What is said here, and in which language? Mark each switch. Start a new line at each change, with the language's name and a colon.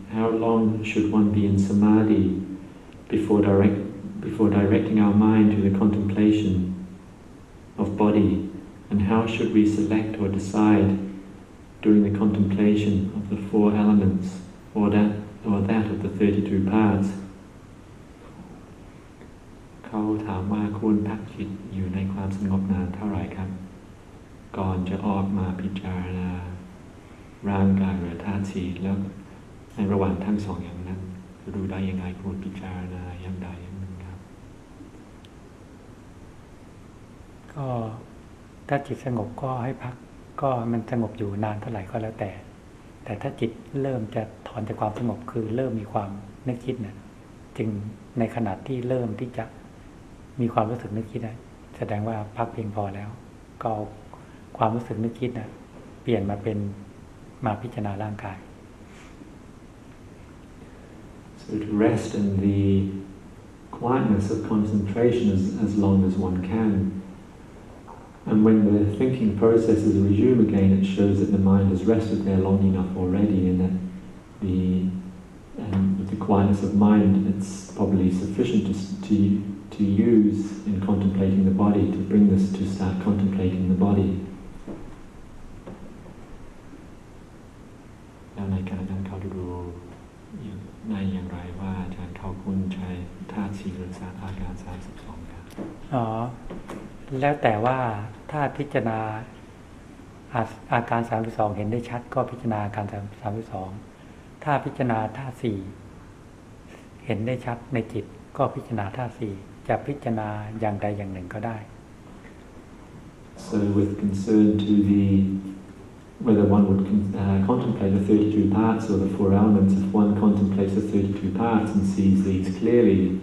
English: How long should one be in samadhi before directing our mind to the contemplation of body? And how should we select or decide during the contemplation of the four elements or that of the 32 parts?
Thai: เขาถามว่าคุณพักจิตอยู่ในความสงบนานเท่าไหร่ครับก่อนจะออกมาพิจารณาร่างกายหรือธาตุสี่แล้วในระหว่างทั้งสองอย่างนั้นดูได้ยังไงคุณพิจารณาอย่างใดอย่างหนึ่งครับ ก็ถ้าจิตสงบก็ให้พักก็มันสงบอยู่นานเท่าไหร่ก็แล้วแต่ถ้าจิตเริ่มจะถอนจากความสงบคือเริ่มมีความนึกคิดเนี่ยจึงในขณะที่เริ่มที่จะมีความรู้สึกนึกคิดนะแสดงว่าพักเพียงพอแล้วก็ความรู้สึกนึกคิดนะเปลี่ยนมาเป็นมาพิจารณาร่างกาย
English: so to rest in the quietness of concentration as long as one can and when the thinking processes resume again it shows that the mind has rested there long enough already and that the quietness of mind it's probably sufficient to use in contemplating the body to bring this to start contemplating the body
Thai: แล้วในการนั้นเขาดูในอย่างไรว่าอาจารย์เขาคุ้นใช้ธาตุสี่หรือสามอาการ32ครับ อ๋อแล้วแต่ว่าถ้าพิจารณาอาการ32เห็นได้ชัดก็พิจารณาอาการ32ถ้าพิจารณาธาตุสี่เห็นได้ชัดในจิตก็พิจารณาธาตุสี่จะพิจารณาอย่างใดอย่างหนึ่งก็ได้
English: So with concern to the whether one would contemplate the 32 parts or the four elements if one contemplates the 32 parts and sees these clearly